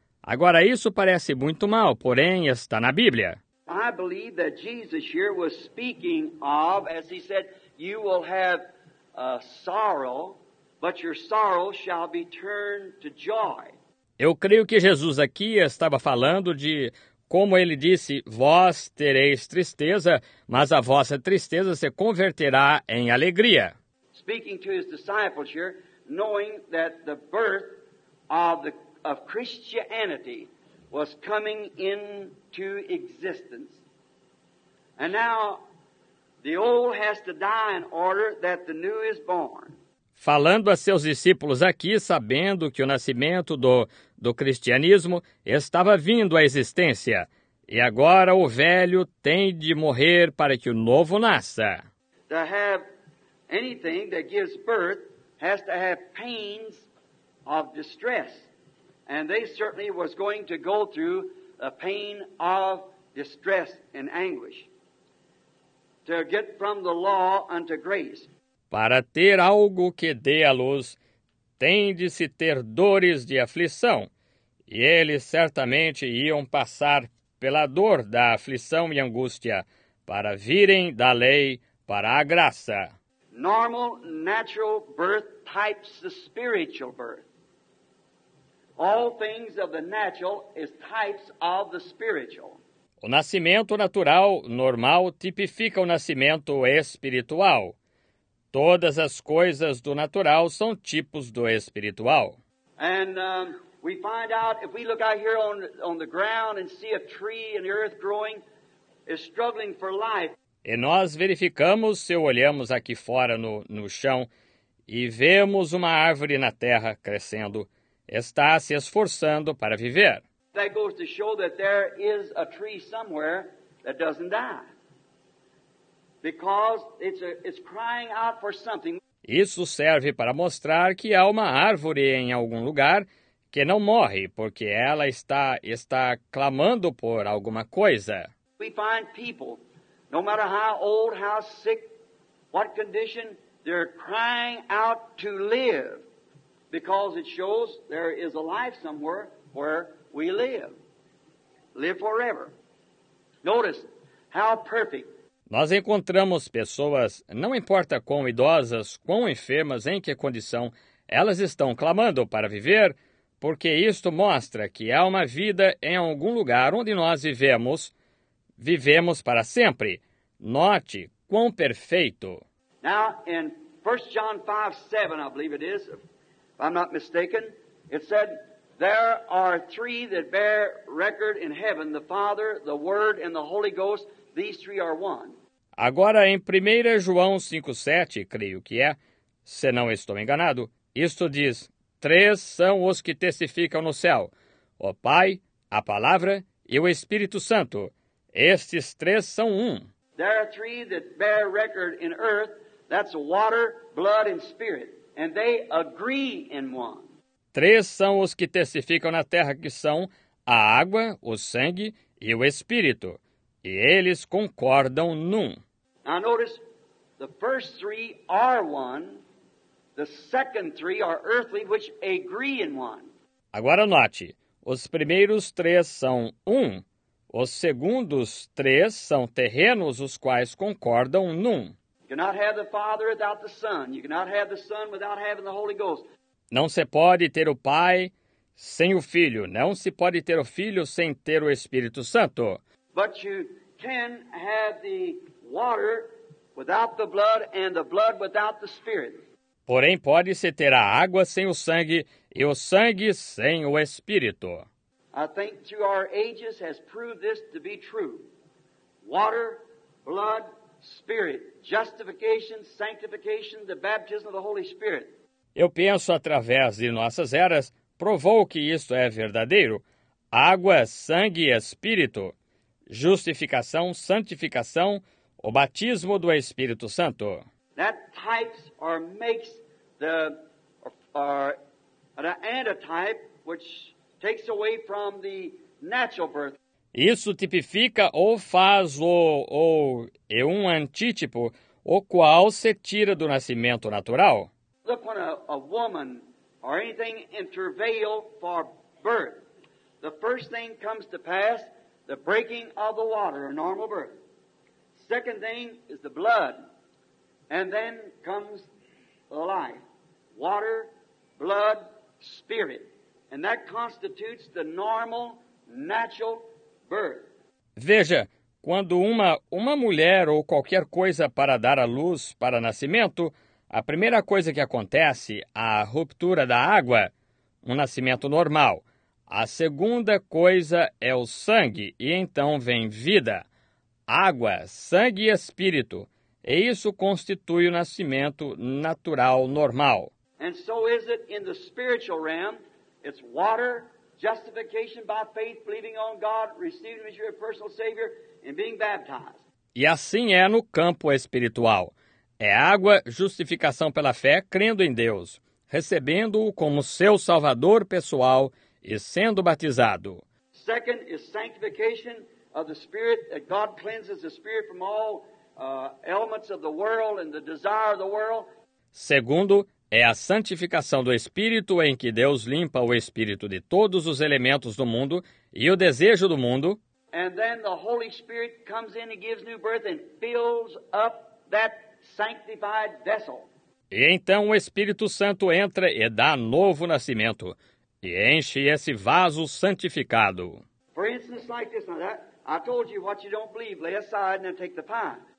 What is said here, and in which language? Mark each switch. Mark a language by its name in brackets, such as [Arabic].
[Portuguese] Agora, isso parece muito mal, porém está na Bíblia. [English] I believe that Jesus here was speaking of, as he said, you will have a sorrow, but your sorrow shall be turned to joy. [Portuguese] Eu creio que Jesus aqui estava falando de, como ele disse, vós tereis tristeza, mas a vossa tristeza se converterá em alegria. [English] Speaking to his disciples here, knowing that the birth of Christianity was coming into existence. And now the old has to die in order that the new is born. [Portuguese] Falando a seus discípulos aqui, sabendo que o nascimento do cristianismo estava vindo à existência, e agora o velho tem de morrer para que o novo nasça. [English] To have anything that gives birth has to have pains of distress. And they certainly was going to go through a pain of distress and anguish to get from the law unto grace. [Portuguese] Para ter algo que dê à luz, tem de se ter dores de aflição. E eles certamente iam passar pela dor da aflição e angústia para virem da lei para a graça. [English] Normal, natural birth types the spiritual birth. All things of the natural is types of the spiritual. [Portuguese] O nascimento natural, normal, tipifica o nascimento espiritual. Todas as coisas do natural são tipos do espiritual. [English] And we find out, if we look out here on the ground and see a tree and the earth growing, is struggling for life. [Portuguese] E nós verificamos, se olhamos aqui fora no chão e vemos uma árvore na terra crescendo, está se esforçando para viver. [English] That goes to show that there is a tree somewhere that doesn't die. Because it's crying out for something. [Portuguese] Isso serve para mostrar que há uma árvore em algum lugar que não morre, porque ela está clamando por alguma coisa. [English] We find people, no matter how old, how sick, what condition, they're crying out to live. Because it shows there is a life somewhere where we live forever. Notice how perfect. [Portuguese] Nós encontramos pessoas, não importa quão idosas, quão enfermas, em que condição, elas estão clamando para viver, porque isto mostra que há uma vida em algum lugar onde nós vivemos para sempre. Note quão perfeito. [English] Now, in 1 John 5:7, I believe it is, if I'm not mistaken, it said, there are three that bear record in heaven, the Father, the Word, and the Holy Ghost. These three are one. [Portuguese] Agora, em 1 João 5:7, creio que é, se não estou enganado, isto diz, três são os que testificam no céu, o Pai, a Palavra e o Espírito Santo. Estes três são um. [English] There are three that bear record in earth. That's water, blood, and spirit. And they agree in one. [Portuguese] Três são os que testificam na terra, que são a água, o sangue e o espírito. E eles concordam num. [English] Now notice, the first three are one. The second three are earthly, which agree in one. [Portuguese] Agora note, os primeiros três são um. Os segundos três são terrenos, os quais concordam num. [English] You cannot have the Father without the Son. You cannot have the Son without having the Holy Ghost. [Portuguese] Não se pode ter o Pai sem o Filho. Não se pode ter o Filho sem ter o Espírito Santo. [English] But you can have the water without the blood and the blood without the Spirit. [Portuguese] Porém, pode-se ter a água sem o sangue e o sangue sem o Espírito. [English] I think through our ages has proved this to be true. Water, blood, Spirit, justification, sanctification, the baptism of the Holy Spirit. [Portuguese] Eu penso, através de nossas eras, provou que isto é verdadeiro. Água, sangue e Espírito. Justificação, santificação, o batismo do Espírito Santo. [English] That types or makes the an antitype which takes away from the natural birth. [Portuguese] Isso tipifica ou faz ou é um antítipo, o qual se tira do nascimento natural. [English] Look when a woman or anything in travail for birth, the first thing comes to pass, the breaking of the water, a normal birth. Second thing is the blood, and then comes the life. Water, blood, spirit, and that constitutes the normal, natural birth. [Portuguese] Veja, quando uma mulher ou qualquer coisa para dar à luz para nascimento, a primeira coisa que acontece é a ruptura da água, um nascimento normal. A segunda coisa é o sangue, e então vem vida. Água, sangue e espírito. E isso constitui o nascimento natural normal. [English] And so is it in the spiritual realm. It's water, justification by faith, believing on God, receiving him as your personal savior, and being baptized. [Portuguese] E assim é no campo espiritual. É água, justificação pela fé, crendo em Deus, recebendo-o como seu salvador pessoal e sendo batizado. [English] Second is sanctification of the spirit, that God cleanses the spirit from all elements of the world and the desire of the world. [Portuguese] Segundo é a santificação do espírito, em que Deus limpa o espírito de todos os elementos do mundo e o desejo do mundo. [English] And then the Holy Spirit comes in and gives new birth and fills up that sanctified vessel. [Portuguese] E então o Espírito Santo entra e dá novo nascimento e enche esse vaso santificado. [English] For instance, like this, now that I told you what you don't believe, lay aside and take the pie.